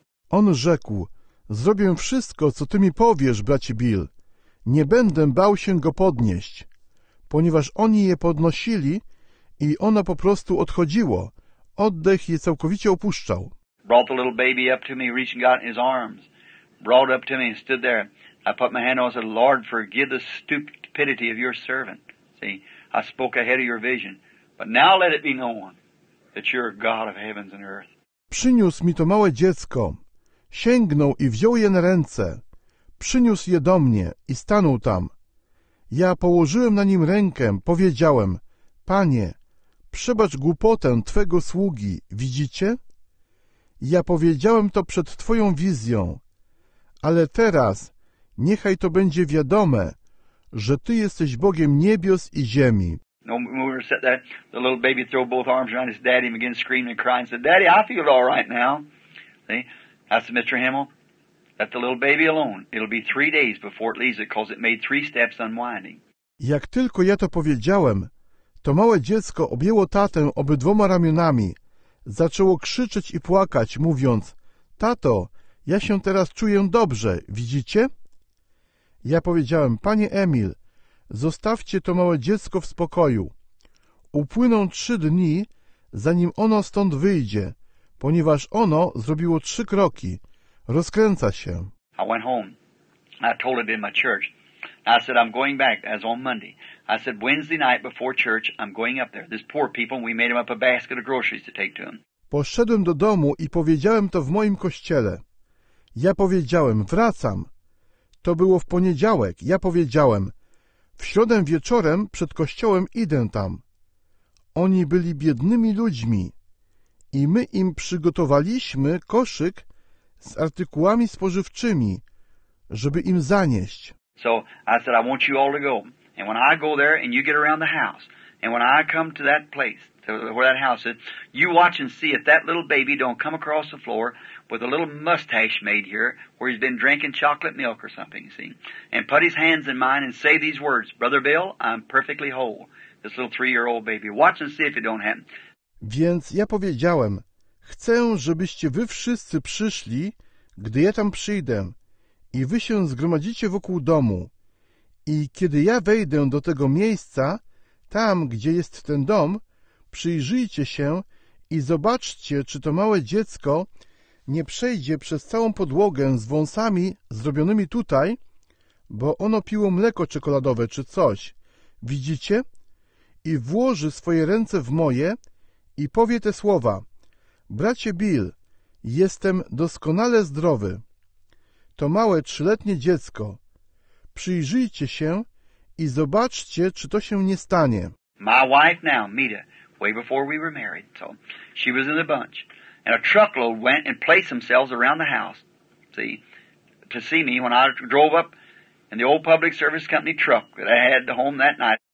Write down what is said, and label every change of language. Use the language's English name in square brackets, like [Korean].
[Polish] On rzekł, zrobię wszystko, co ty mi powiesz, bracie Bill. Nie będę bał się go podnieść. Ponieważ oni je podnosili i ono po prostu odchodziło. Oddech je całkowicie opuszczał. [English] Brought the little baby up to me, reaching out in his arms. Brought up to me and stood there. I put my hand on and said, Lord, forgive the stupidity of your servant. See, I spoke ahead of your vision. But now let it be known that you're God of heavens and earth. [Polish] Przyniósł mi to małe dziecko. Sięgnął i wziął je na ręce. Przyniósł je do mnie i stanął tam. Ja położyłem na nim rękę, powiedziałem, Panie, przebacz głupotę Twego sługi, widzicie? Ja powiedziałem to przed Twoją wizją, ale teraz Niechaj to będzie wiadome, że Ty jesteś Bogiem niebios i ziemi. [English] No, we said that the little baby threw both arms around his daddy and began screaming and crying and said, Daddy, I feel all right now. See, that's Mr. Himmel. Let the little baby alone. It'll be 3 days before it leaves it because it made 3 steps unwinding. [Polish] Jak tylko ja to powiedziałem, to małe dziecko objęło tatę obydwoma ramionami, zaczęło krzyczeć i płakać, mówiąc, Tato, ja się teraz czuję dobrze, widzicie? Ja powiedziałem, Panie Emil, zostawcie to małe dziecko w spokoju. Upłyną 3 dni, zanim ono stąd wyjdzie, ponieważ ono zrobiło 3 kroki. Rozkręca się. [English] I went home. I told it in my church. I said, I'm going back, as on Monday. I said, Wednesday night before church, I'm going up there. These poor people, we made them up a basket of groceries to take to them. [Polish] Poszedłem do domu i powiedziałem to w moim kościele. Ja powiedziałem, wracam. To było w poniedziałek. Ja powiedziałem, w środę wieczorem przed kościołem idę tam. Oni byli biednymi ludźmi i my im przygotowaliśmy koszyk z artykułami spożywczymi, żeby im zanieść. [English] So I said, I want you all to go. And when I go there and you get around the house, and when I come to that place, to where that house is, you watch and see if that little baby don't come across the floor with a little mustache made here where he's been drinking chocolate milk or something, you see, and put his hands in mine and say these words, Brother Bill, I'm perfectly whole. This little 3-year-old baby. Watch and see if it don't happen. [Polish] Więc ja powiedziałem, chcę, żebyście wy wszyscy przyszli, gdy ja tam przyjdę, i wy się zgromadzicie wokół domu. I kiedy ja wejdę do tego miejsca, tam, gdzie jest ten dom, przyjrzyjcie się i zobaczcie, czy to małe dziecko nie przejdzie przez całą podłogę z wąsami zrobionymi tutaj, bo ono piło mleko czekoladowe czy coś. Widzicie? I włoży swoje ręce w moje i powie te słowa. Bracie Bill, jestem doskonale zdrowy. To małe 3-letnie dziecko. Przyjrzyjcie się i zobaczcie, czy to się nie stanie. [English] My wife now, Mita, way before we were married, so she was in the bunch. And a truckload went and placed themselves around the house, see, to see me when I drove up in the old public service company truck that I had home that night.